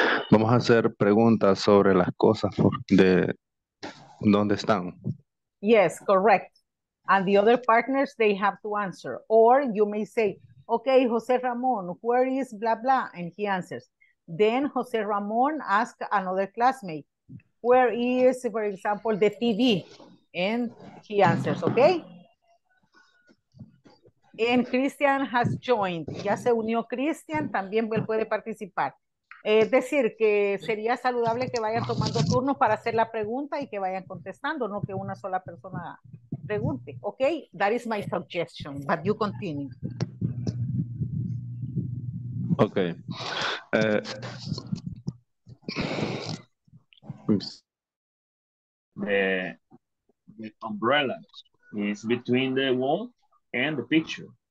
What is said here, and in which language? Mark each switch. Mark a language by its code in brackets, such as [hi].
[es] Vamos a hacer preguntas sobre las cosas de dónde están. [en] Yes, correct. And the other partners, they have to answer. Or you may say, okay, Jose Ramon, where is blah, blah? And he answers. Then Jose Ramon asks another classmate, where is, for example, the TV? And he answers, okay? And Christian has joined. [es] Ya se unió Christian, también él puede participar. Es decir, que sería saludable que vayan tomando turnos para hacer la pregunta y que vayan contestando, no que una sola persona pregunte. [en] Ok, that is my suggestion, but you continue. Ok. The umbrella is between the wall and the picture.